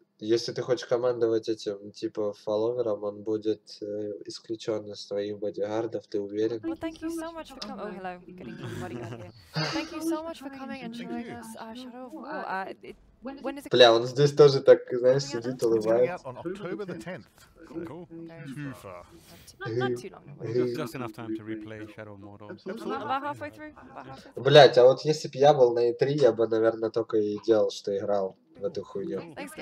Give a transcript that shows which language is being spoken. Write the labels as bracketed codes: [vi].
[ru] Если ты хочешь командовать этим, типа, фолловером, он будет исключен из твоих бодигардов, ты уверен? [en] Well, thank you so much for coming. Oh, hello. Thank you so much for coming and joining us, Shadow of War. [ru] Бля, он здесь тоже так, знаешь, сидит, улыбается. [en] On October the 10th. Cool. Too far. Not too long. Just enough time to replay Shadow Mordor. About halfway through. [ru] Блять, а вот если б я был на E3, я бы, наверное, только и делал, что играл в эту хуйню.